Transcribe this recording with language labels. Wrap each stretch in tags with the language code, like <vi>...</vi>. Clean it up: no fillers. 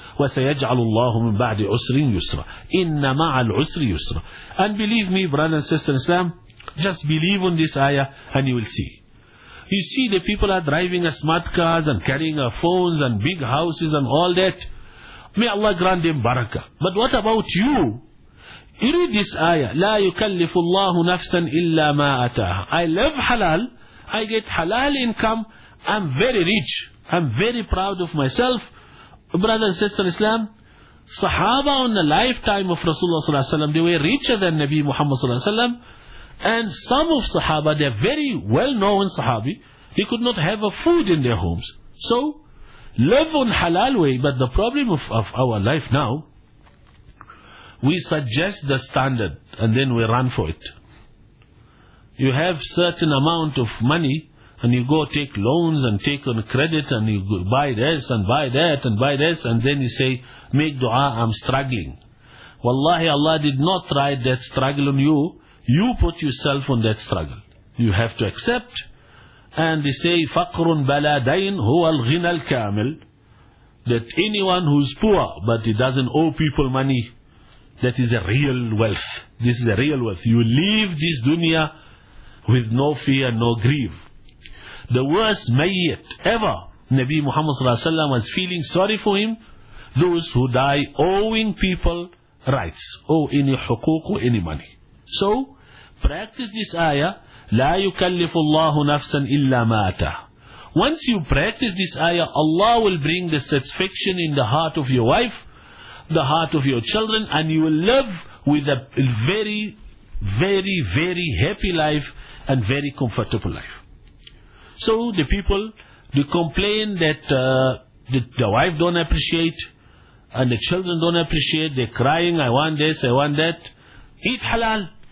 <ar>وَسَيَجْعَلُ اللَّهُ مِنْ بَعْدِ عُسْرٍ يُسْرًا إِنَّ مَعَ الْعُسْرِ يُسْرًا.</ar> <en>And believe me, brother and sister in Islam, just believe on this ayah and you will see. You see, the people are driving smart cars and carrying phones and big houses and all that. May Allah grant them barakah. But what about you? You read this ayah,</en> <ar>لا يكلف الله نفسا إلا ما أتاه.</ar> <en>I love halal, I get halal income, I'm very rich, I'm very proud of myself. Brother and sister Islam, Sahaba on the lifetime of Rasulullah sallallahu alaihi wasallam, they were richer than Nabi Muhammad sallallahu alaihi wasallam, and some of Sahaba, they're very well-known Sahabi, they could not have a food in their homes. So, live on halal way, but the problem of our life now, we suggest the standard and then we run for it. You have certain amount of money and you go take loans and take on credit and you go buy this and buy that and buy this, and then you say, make dua, I'm struggling. Wallahi, Allah did not write that struggle on you. You put yourself on that struggle. You have to accept. And they say,</en> <ar>فَقْرٌ بَلَادَيْنْ هُوَ الْغِنَى الْكَامِلِ.</ar> <en>That anyone who's poor but he doesn't owe people money, that is a real wealth. This is a real wealth. You leave this dunya with no fear, no grief. The worst mayyit ever, Nabi Muhammad sallallahu alaihi wasallam was feeling sorry for him, those who die owing people rights, owe any hukuk or any money. So, practice this ayah,</en> <ar>لا يكلف الله نفسا إلا ما أتى.</ar> <en>Once you practice this ayah, Allah will bring the satisfaction in the heart of your wife, the heart of your children, and you will live with a very, very, very happy life and very comfortable life. So the people, they complain that the wife don't appreciate and the children don't appreciate, they're crying, I want this, I want that. Eat halal.</en>